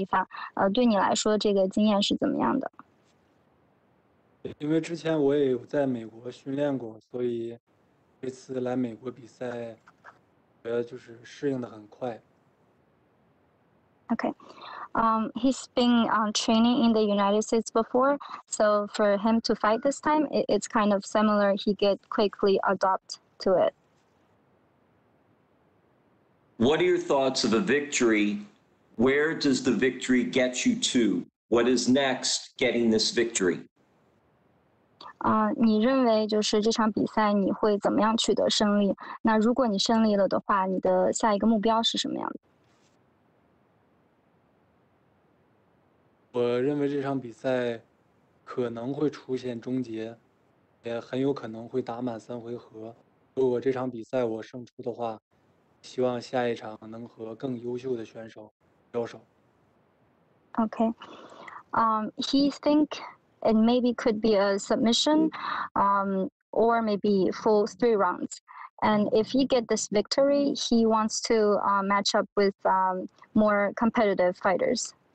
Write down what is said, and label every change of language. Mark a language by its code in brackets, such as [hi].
[zh] 这一次是你第一次在美国打比赛，你之前大部分的比赛都是在中国或者是美国以外的地方，对你来说这个经验是怎么样的？因为之前我也有在美国训练过，所以 这次来美国比赛，觉得就是适应的很快。 [en] Okay, he's been training in the United States before, so for him to fight this time, it's kind of similar. He get quickly adapt to it. What are your thoughts of a victory? Where does the victory get you to? What is next getting this victory? [zh] 你认为就是这场比赛你会怎么样取得胜利? 那如果你胜利了的话, 你的下一个目标是什么样的? 我认为这场比赛可能会出现终结, 也很有可能会打满三回合。如果这场比赛我胜出的话, 希望下一场能和更优秀的选手交手。 [en] Okay. He think it maybe could be a submission, or maybe full three rounds. And if he get this victory, he wants to match up with more competitive fighters.